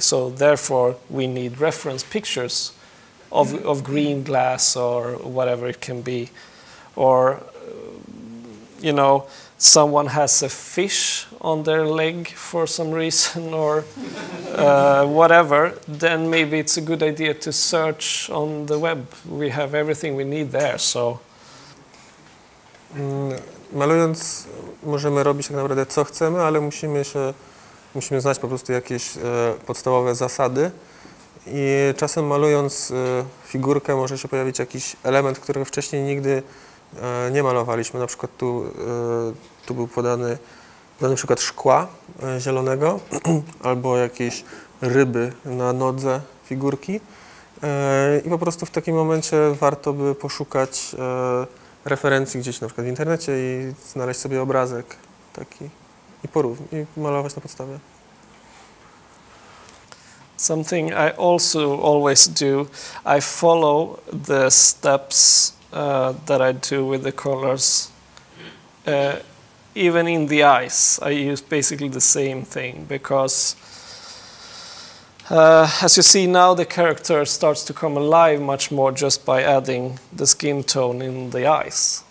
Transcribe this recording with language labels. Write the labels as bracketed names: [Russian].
[English] So therefore we need reference pictures of green glass or whatever it can be. Or, you know, someone has a fish on their leg for some reason or whatever, then maybe it's a good idea to search on the web. We have everything we need there, so... [Polish] Malując możemy robić tak naprawdę co chcemy, ale musimy znać po prostu jakieś podstawowe zasady. I czasem malując figurkę może się pojawić jakiś element, którego wcześniej nigdy nie malowaliśmy, na przykład tu był podany na przykład szkła zielonego albo jakieś ryby na nodze figurki i po prostu w takim momencie warto by poszukać referencji gdzieś na przykład w internecie i znaleźć sobie obrazek taki i malować na podstawie. [English] Something I also always do, I follow the steps that I do with the colors, even in the eyes, I use basically the same thing because, as you see now, the character starts to come alive much more just by adding the skin tone in the eyes.